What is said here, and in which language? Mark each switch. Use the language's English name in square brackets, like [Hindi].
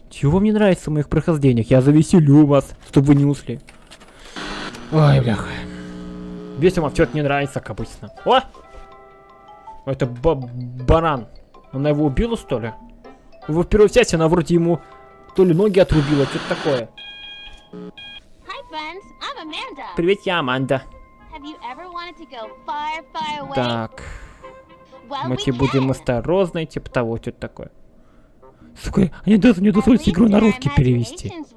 [Russian] Чего мне нравится в моих прохождениях? Я завеселю вас, чтобы вы не усли. Ой, бляха. Весь вам что-то не нравится, как обычно. О! Это баран. Она его убила, что ли? Во первую часть она вроде ему то ли ноги отрубила, что-то такое. [English] Hi, friends. I'm Amanda. [Russian] Привет, я Аманда. [English] Have you ever wanted to go far, far away? [Russian] Так. Well, мы тебе будем осторожны, типа того, что-то такое. Сука, они даже не дозволят игру на русский перевести.